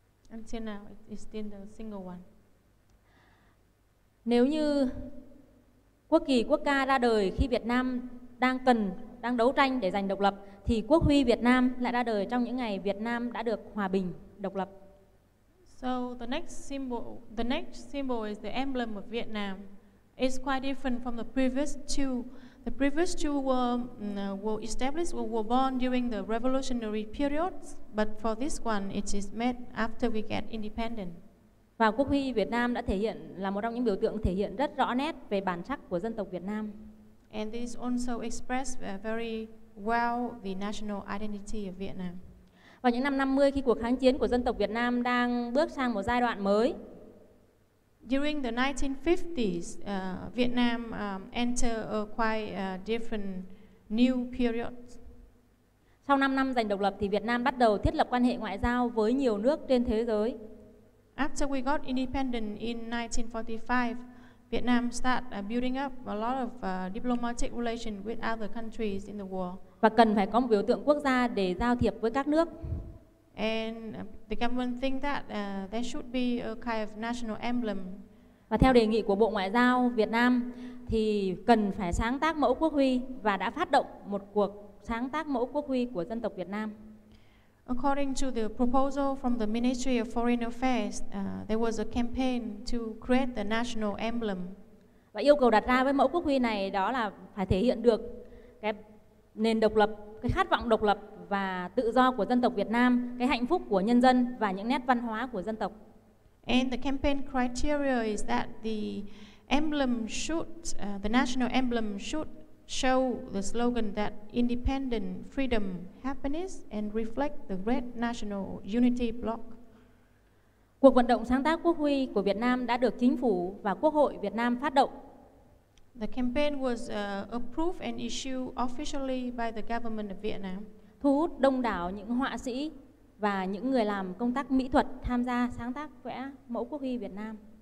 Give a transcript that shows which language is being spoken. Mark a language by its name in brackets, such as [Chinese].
[English] Until now, it's still the single one. [Vietnamese] Nếu như quốc kỳ quốc ca ra đời khi Việt Nam đang đấu tranh để giành độc lập, thì quốc huy Việt Nam lại ra đời trong những ngày Việt Nam đã được hòa bình, độc lập. [English] So the next symbol is the emblem of Vietnam. It's quite different from the previous two. The previous two were established, were born during the revolutionary period, but for this one, it is made after we get independent. [Vietnamese] Và quốc huy Việt Nam đã thể hiện là một trong những biểu tượng thể hiện rất rõ nét về bản sắc của dân tộc Việt Nam. [English] And this also expressed very well the national identity of Vietnam. [Vietnamese] Vào những năm 50 khi cuộc kháng chiến của dân tộc Việt Nam đang bước sang một giai đoạn mới. [English] During the 1950s, Vietnam entered a quite different new period. [Vietnamese] Sau 5 năm giành độc lập thì Việt Nam bắt đầu thiết lập quan hệ ngoại giao với nhiều nước trên thế giới. [English] After we got independent in 1945, Vietnam started building up a lot of diplomatic relations with other countries in the world. [Vietnamese] Và cần phải có một biểu tượng quốc gia để giao thiệp với các nước. [English] And the government think that there should be a kind of national emblem. [Vietnamese] Và theo đề nghị của Bộ Ngoại giao Việt Nam thì cần phải sáng tác mẫu quốc huy và đã phát động một cuộc sáng tác mẫu quốc huy của dân tộc Việt Nam. [English] According to the proposal from the Ministry of Foreign Affairs, there was a campaign to create the national emblem. [Vietnamese] Và yêu cầu đặt ra với mẫu quốc huy này đó là phải thể hiện được cái nền độc lập, cái khát vọng độc lập và tự do của dân tộc Việt Nam, cái hạnh phúc của nhân dân và những nét văn hóa của dân tộc. [English] And the campaign criteria is that the emblem should, the national emblem should show the slogan that independent, freedom, happiness and reflect the great national unity block. [Vietnamese] Cuộc vận động sáng tác quốc huy của Việt Nam đã được chính phủ và quốc hội Việt Nam phát động. [English] The campaign was approved and issued officially by the government of Vietnam. [Vietnamese] Thu hút đông đảo những họa sĩ và những người làm công tác mỹ thuật tham gia sáng tác vẽ mẫu quốc huy Việt Nam.